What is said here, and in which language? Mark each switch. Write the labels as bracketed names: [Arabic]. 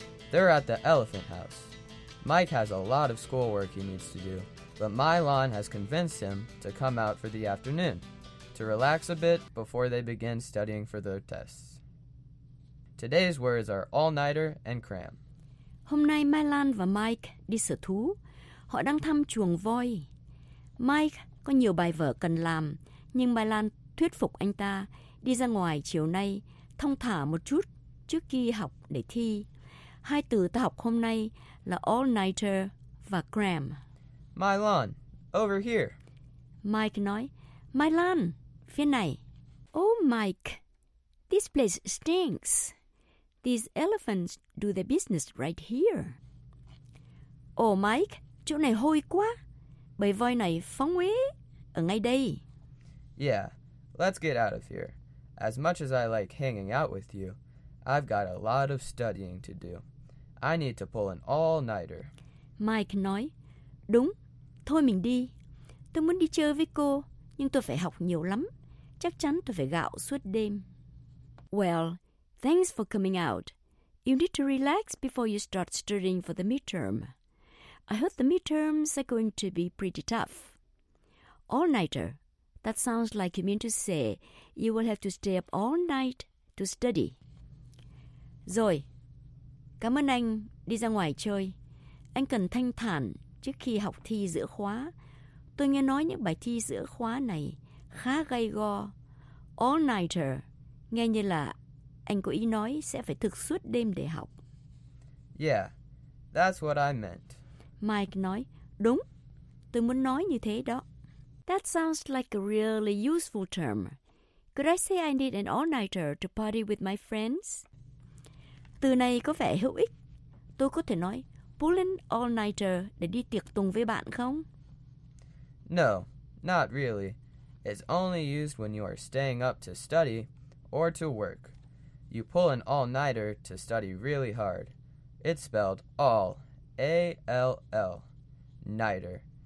[English] They're at the elephant house. Mike has a lot of schoolwork he needs to do, but Mylon has convinced him to come out for the afternoon to relax a bit before they begin studying for their tests. Today's words are all-nighter and cram. [Vietnamese] Hôm nay Mylon và Mike đi sở thú. Họ đang thăm chuồng voi. Mike có nhiều bài vở cần làm, nhưng Mylon thuyết phục anh ta đi ra ngoài chiều nay, thong thả một chút trước khi học để thi. Hai từ ta học hôm nay là all-nighter và cram. [English] Mylon, over here. [Vietnamese] Mike nói, Mylon, phía này. [English] Oh, Mike, this place stinks. These elephants do their business right here. [Vietnamese] Oh, Mike, chỗ này hôi quá. Bầy voi này phóng uế ở ngay đây. [English] Yeah, let's get out of here. As much as I like hanging out with you, I've got a lot of studying to do. I need to pull an all-nighter. [Vietnamese] Mike nói, đúng, thôi mình đi. Tôi muốn đi chơi với cô, nhưng tôi phải học nhiều lắm. Chắc chắn tôi phải gạo suốt đêm. [English] Well, thanks for coming out. You need to relax before you start studying for the midterm. I heard the midterms are going to be pretty tough. All-nighter. That sounds like you mean to say you will have to stay up all night to study. [Vietnamese] Rồi, cảm ơn anh đi ra ngoài chơi. Anh cần thanh thản trước khi học thi giữa khóa. Tôi nghe nói những bài thi giữa khóa này khá gay go. All-nighter, nghe như là anh có ý nói sẽ phải thức suốt đêm để học. [English] Yeah, that's what I meant. [Vietnamese] Mike nói, đúng, tôi muốn nói như thế đó. [English] That sounds like a really useful term. Could I say I need an all-nighter to party with my friends? [Vietnamese] Từ này có vẻ hữu ích. Tôi có thể nói, [English] pull an all-nighter [Vietnamese] để đi tiệc tùng với bạn không? [English] No, not really. It's only used when you are staying up to study or to work. You pull an all-nighter to study really hard. It's spelled all, A-L-L, nighter.